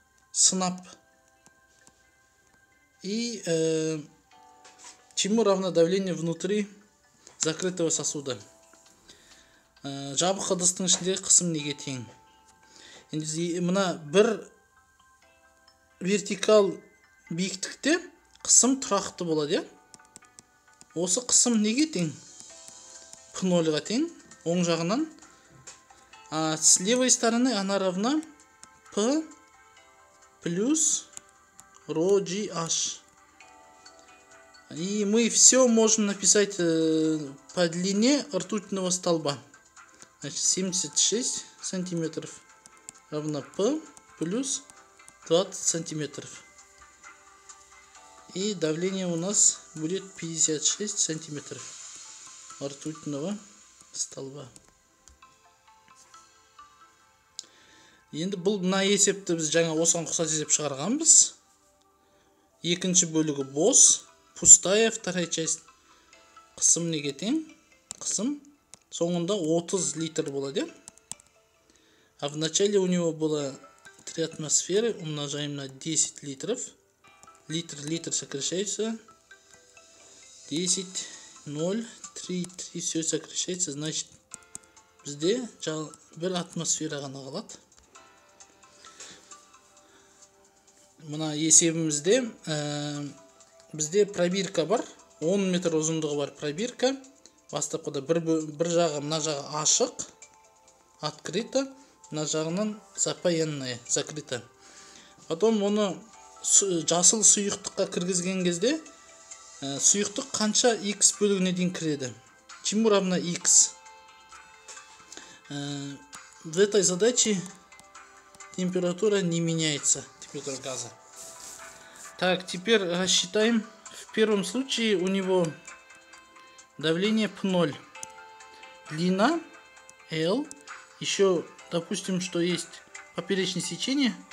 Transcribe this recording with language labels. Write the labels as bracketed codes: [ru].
[ru] Снап. И чему равно давление внутри закрытого сосуда? [kk] Жабық ыдыстың ішіндегі қысым неге тең? Мына бір вертикал биіктікте қысым тұрақты болады. Осы қысым неге тең? 0-ға тең оң жағынан [ru] а с левой стороны она равна p плюс ро джи аш. И мы все можем написать по длине ртутного столба. Значит, 76 сантиметров равно p плюс 20 сантиметров. И давление у нас будет 56 сантиметров ртутного столба. [kk] Енді бұл мына есепті біз жаңа осыған қоса есеп шығарғанбыз. Екінші бөлігі бос, [ru] пустая вторая часть. [kk] Қысым неге тең? Қысым соңында 30 литр болады, иә? [ru] А в начале у него было 3 атмосферы, умножаем на 10 литров. Литр, литр сокращается. 10, 0, 3, 3, все сокращается. [kk] Значит, бізде бір атмосфера ғана қалады. Мына есебімізде бізде пробирка бар. 10 метр ұзындығы бар пробирка. Бастапқыда бір жағы, мына жағы ашық. [ru] Открыто. [kk] Мына жағынан [ru] запаянная. Закрыто. Потом [kk] оны жасыл сұйықтыққа кіргізген кезде сұйықтық қанша x бөлігіне дейін кіреді? [ru] Чему равна x? В этой задаче температура не меняется. Температура газа. Так, теперь рассчитаем. В первом случае у него давление P0. Длина L. Еще, допустим, что есть поперечное сечение.